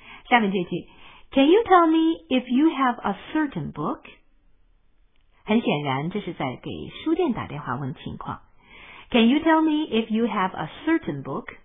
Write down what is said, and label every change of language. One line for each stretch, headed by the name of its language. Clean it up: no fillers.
Chinese: 下面这句
English: Can you tell me if you have a certain book?
Chinese: 很显然这是在给书店打电话问情况。
English: Can you tell me if you have a certain book?